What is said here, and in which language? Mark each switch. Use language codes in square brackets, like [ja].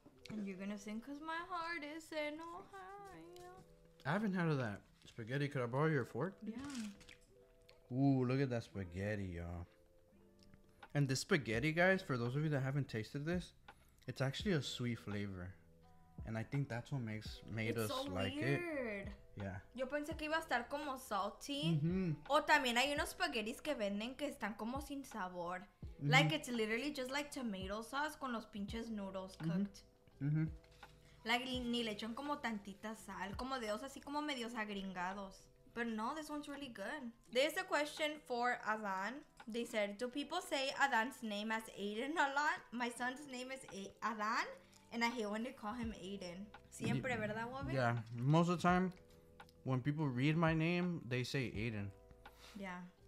[en] And you're going to sing because my heart is in Ohio. I haven't heard of that. Spaghetti, could I borrow your fork? Yeah. Ooh, look at that spaghetti, y'all. And this spaghetti, guys, for those of you that haven't tasted this, it's actually a sweet flavor. And I think that's what made it's us so like weird. It. Yeah. [es] Yo pensé que iba a estar como salty. Mm-hmm. O también hay unos spaghettis que venden que están como sin sabor. Mm-hmm. [en] Like it's literally just like tomato sauce [es] con los pinches [en] noodles cooked. [es] Like ni le echan como tantita sal, como de esos así como medios agringados. [en] But no, this one's really good. There's a question for Adan. They said, do people say Adan's name as Aiden a lot? My son's name is Adan, and I hate when they call him Aiden. [es] Siempre, yeah. ¿Verdad, Wobby? [en] Yeah, most of the time, when people read my name, they say Aiden. Yeah.